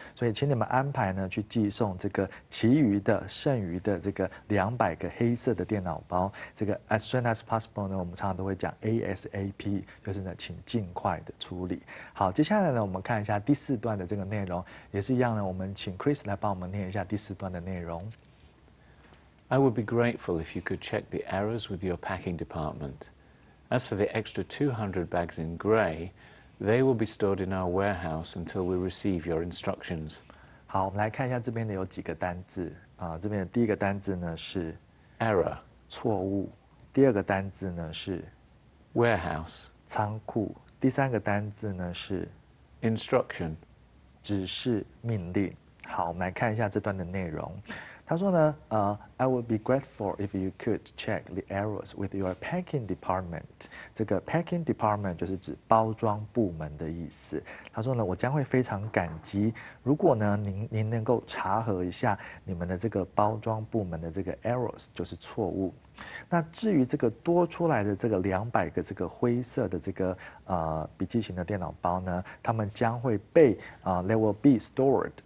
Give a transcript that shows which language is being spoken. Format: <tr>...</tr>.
<zh>所以请你们安排呢，去寄送这个其余的、剩余的这个200个黑色的电脑包。这个</zh> <en>as soon as possible</en> <zh>呢，我们常常都会讲 ASAP，就是呢，请尽快的处理。好，接下来呢，我们看一下第四段的这个内容，也是一样呢，我们请 Chris 来帮我们念一下第四段的内容。</zh> <en>I would be grateful if you could check the errors with your packing department. As for the extra 200 bags in grey, they will be stored in our warehouse until we receive your instructions.</en> <zh>好，我们来看一下这边的有几个单字啊。这边的第一个单字呢是</zh> <en>error，</en> <zh>错误；第二个单字呢是</zh> <en>warehouse，</en> <zh>仓库；第三个单字呢是</zh> <en>instruction。</en> <zh>指示、命令。好，我们来看一下这段的内容。他说呢，</zh> <en>I would be grateful if you could check the errors with your packing department。</en> <zh>这个 packing department 就是指包装部门的意思。他说呢，我将会非常感激，如果呢您能够查核一下你们的这个包装部门的这个 errors，就是错误。那至于这个多出来的这个200个这个灰色的这个笔记型的电脑包呢，他们将会被</zh> <en>they will be stored。</en>